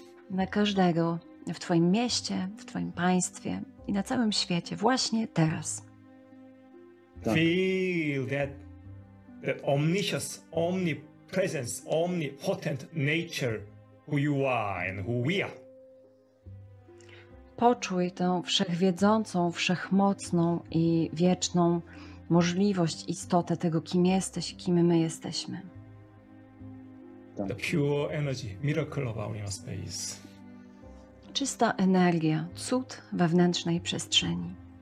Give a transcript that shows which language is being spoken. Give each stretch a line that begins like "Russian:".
Polish: Na każdego w twoim mieście, w twoim państwie i na całym świecie właśnie teraz.
English: Feel that omniscient, presence, omnipotent nature, who you are and who we are.
Polish: Poczuj tę wszechwiedzącą, wszechmocną i wieczną możliwość, istotę tego, kim jesteś, kim my jesteśmy.
English: The pure energy, miracle of our space.
Polish: Czysta energia, cud wewnętrznej przestrzeni.